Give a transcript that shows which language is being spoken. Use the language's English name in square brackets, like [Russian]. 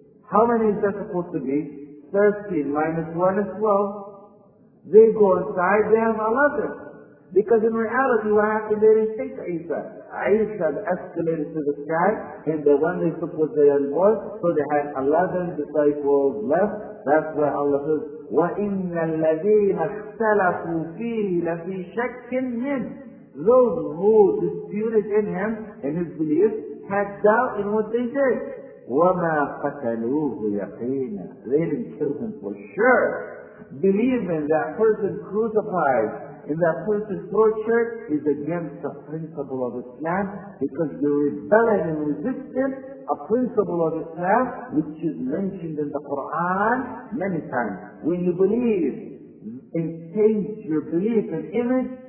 [English] How many is that supposed to be? 13 minus 1 is 12. They go inside, they have 11. Because in reality, what happened, they didn't take Isa. Isa escalated to the sky, and the one they took was the young boy, so they had 11 disciples left. That's where Allah says, [Arabic] وَإِنَّ الَّذِينَ اخْتَلَفُوا فِيهِ لَفِي شَكٍ مِّنْ. [English] Those who disputed in him and his beliefs had doubt in what they did. [Arabic] وَمَا قَتَلُوهُ يَقِينًا. [English] They didn't kill him for sure. Believing that person crucified and that person tortured is against the principle of Islam, because the rebellion and resistance, a principle of Islam, which is mentioned in the Quran many times. When you believe and change your belief and image,